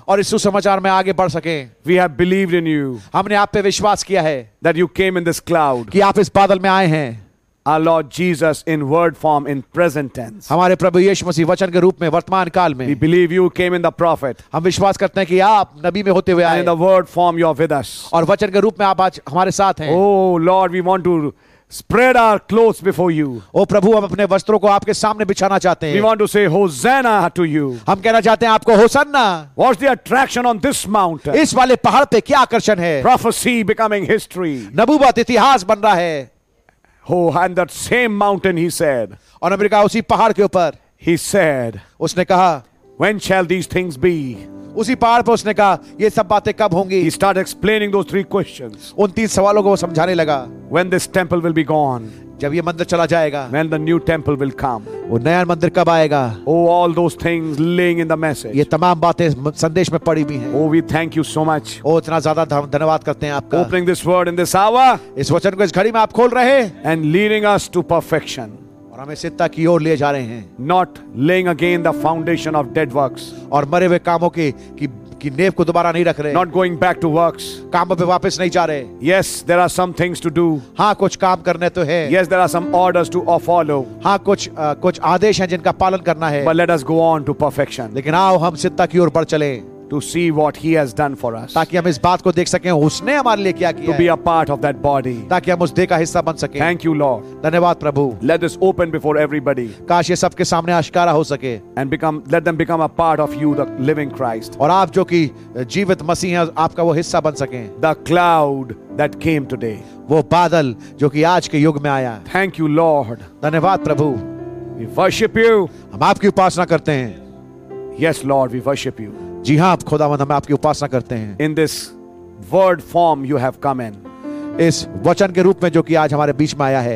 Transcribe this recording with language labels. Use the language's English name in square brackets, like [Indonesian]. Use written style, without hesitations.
[Hindi] और इस सुसमाचार में आगे बढ़ सके. [English] We have believed in you, [Hindi] हमने आप पे विश्वास किया है. [English] That you came in this cloud, [Hindi] कि आप इस बादल में आए हैं. [English] Our Lord Jesus in word form, in present tense, [Hindi] हमारे प्रभु यीशु मसीह वचन के रूप में, वर्तमान काल में. [English] We believe you came in the prophet, [Hindi] हम विश्वास करते हैं कि आप नबी में होते हुए आए. [English] And in the word form, you are with us, [Hindi] और वचन के रूप में आप आज हमारे साथ हैं. [English] Oh Lord, we want to spread our clothes before you. [Hindi] ओ प्रभु, हम अपने वस्त्रों को आपके सामने बिछाना चाहते हैं. [English] We want to say Hosanna to you. [Hindi] हम कहना चाहते हैं आपको Hosanna. [English] What's the attraction on this mountain? [Hindi] इस वाले पहाड़ पे क्या आकर्षण है? [English] Prophecy becoming history. [Hindi] नबुवत इतिहास बन रहा है. [English] Oh, and that same mountain, he said. [Hindi] और अमेरिका उसी पहाड़ के ऊपर. [English] He said. [Hindi] उसने कहा. [English] When shall these things be? [Hindi] उसी पहाड़ पर उसने कहा ये सब बातें कब होंगी? [English] He started explaining those three questions. [Hindi] उन तीन सवालों को वो समझाने लगा. [English] When this temple will be gone. [Hindi] जब ये मंदिर चला जाएगा. [English] When the new temple will come. [Hindi] वो नया मंदिर कब आएगा? [English] Oh, all those things laying in the message. [Hindi] ये तमाम बातें संदेश में पड़ी भी हैं. [English] Oh, we thank you so much. [Hindi] ओ इतना ज़्यादा धन्यवाद करते हैं आपका. [English] Opening this word in this hour. [Hindi] इस वचन को इस घड़ी में आप खोल रहे. [English] And leading us to perfection. [Hindi] और हमें सिद्धता की ओर ले जा रहे हैं. [English] Not laying again the foundation of dead works. [Hindi] और मरे हुए कामों के की नेव को दोबारा नहीं रख रहे. [English] Not going back to works. [Hindi] काम पे वापस नहीं जा रहे. [English] Yes, there are some things to do. [Hindi] हाँ, कुछ काम करने तो है. [English] Yes, there are some orders to follow. [Hindi] हाँ, कुछ आदेश हैं जिनका पालन करना है. [English] But let us go on to perfection. [Hindi] लेकिन आओ हम सिद्धता की ओर बढ़ चलें. [English] To see what He has done for us. [Hindi] ताकि हम इस बात को देख सकें उसने हमारे लिए क्या किया. [English] To be a part of that body. [Hindi] ताकि हम उस देह का हिस्सा बन सकें. [English] Thank you, Lord. [Hindi] धन्यवाद प्रभु. [English] Let this open before everybody. [Hindi] काश ये सबके सामने आश्कारा हो सके. [English] And become, let them become a part of you, the living Christ. [Hindi] और आप जो कि जीवित मसीह हैं, आपका वो हिस्सा बन सकें. [English] The cloud that came today. [Hindi] वो बादल जो कि आज के युग में आया. [English] Thank you, Lord. [Hindi] धन्यवाद प्रभु. [English] We worship you. [Hindi] हम आपकी उपासना करते हैं. [English] Yes, Lord, we worship you. [Hindi] जी हाँ, आप खुदावंद, हम आपकी उपासना करते हैं. [English] In this word form you have come in. [Hindi] इस वचन के रूप में जो कि आज हमारे बीच में आया है.